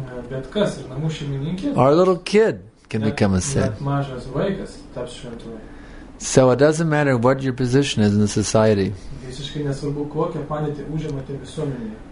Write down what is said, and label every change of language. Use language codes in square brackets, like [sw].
[lt] Bet kas, ir namų šeimininkė, [en] or a little kid can become a saint. [lt] Mažas vaikas taps šventuoju. [en] So it doesn't matter what your position is in the society. [lt] Visiškai nesvarbu, kokią padėtį užimate visuomenėje.